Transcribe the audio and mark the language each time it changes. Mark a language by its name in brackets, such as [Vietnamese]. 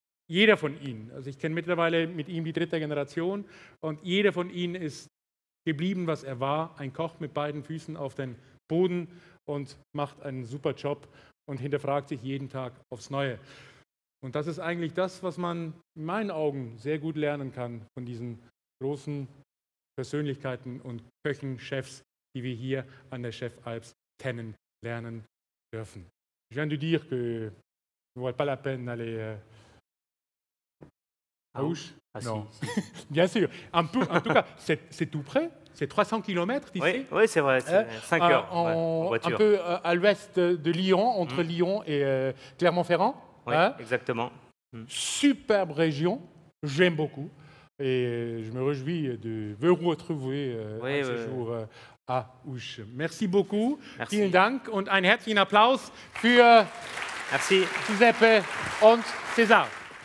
[German] Jeder von ihnen, also ich kenne mittlerweile mit ihm die dritte Generation, und jeder von ihnen ist geblieben, was er war, ein Koch mit beiden Füßen auf den Boden und macht einen super Job und hinterfragt sich jeden Tag aufs Neue. Und das ist eigentlich das, was man in meinen Augen sehr gut lernen kann von diesen großen Persönlichkeiten und Köchen, Chefs, die wir hier an der Chef Alps kennenlernen dürfen. [French] Je viens de dire que ne vaut pas la peine d'aller à Ouche. Ah, non, si. Bien sûr. En tout cas, c'est tout près. C'est 300 km d'ici. Oui, c'est vrai. C'est 5 heures. Un peu à l'ouest de Lyon, entre Lyon et Clermont-Ferrand. Oui, exactement. Superbe région. J'aime beaucoup. Et je me réjouis de vous retrouver ce jour à Ouche. Merci beaucoup. Merci. [German] Vielen Dank. Und ein herzlichen Applaus für Giuseppe und César.